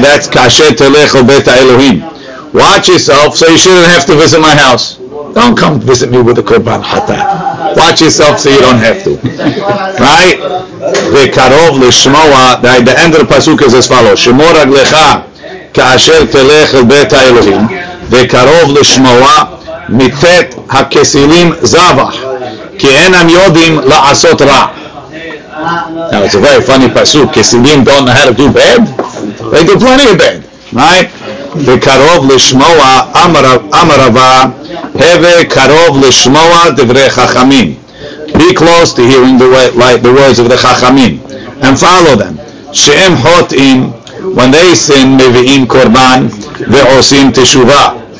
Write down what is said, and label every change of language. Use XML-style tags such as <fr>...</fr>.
<en>That's</en> <he>kasher telech obet Elohim.</he> <en>Watch yourself so you shouldn't have to visit my house. Don't come visit me with a korban hatat. Watch yourself so you don't have to. Right?</en> <he>Ve'karov lishmoa,</he> <en>the end of the pasuk is as follows.</en> <he>Shemur aglecha kasher telech obet Elohim. וקרוב לשמוע מתת הכסילים זבח כי אינם יודעים לעשות רע.</he> <en>Now it's a very funny pasuk. כסילים don't know how to do bad. They do plenty of bad, right?</en> <he>וקרוב לשמוע אמר רבה הווה קרוב לשמוע דברי חכמים.</he> <en>Be close to hearing the words of the חכמים and follow them.</en> <he>שהם חוטאים,</he> <en>when they sin,</en> <he>מביאים קורבן ועושים תשובה.</he>